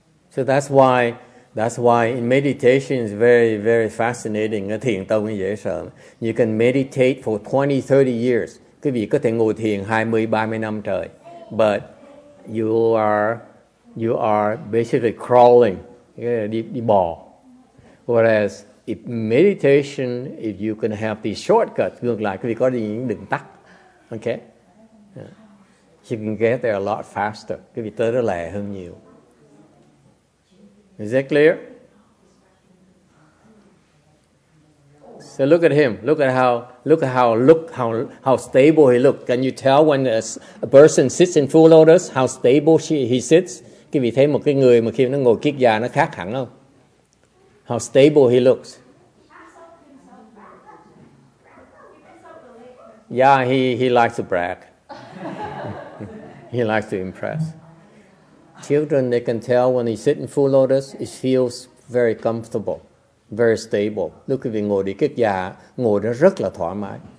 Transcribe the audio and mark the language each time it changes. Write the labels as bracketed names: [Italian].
[English] So that's why in meditation is very, very fascinating. [Vietnamese] Thiền tông dễ sợ. [English] You can meditate for 20, 30 years. [Vietnamese] Quý vị có thể ngồi thiền 20, 30 năm trời. [English] But you are basically crawling, [Vietnamese] đi bò. [English] Whereas if meditation, if you can have the shortcut, [Vietnamese] ngược lại, quý vị có những đường tắt. [English] Okay? Yeah. You can get there a lot faster. [Vietnamese] Quý vị tới đó lẹ hơn nhiều. [English] Is that clear? So look at him. Look at how stable he looks. Can you tell when a person sits in full lotus how stable he sits? [Vietnamese] Quý vị thấy một cái người mà khi nó ngồi kiết dạ nó khác hẳn không? [English] How stable he looks. Yeah, he likes to brag. He likes to impress. Children, they can tell when they sit in full lotus, it feels very comfortable, very stable. [Vietnamese] Lúc quý vị ngồi đi kiết dạ, ngồi nó rất là thoải mái.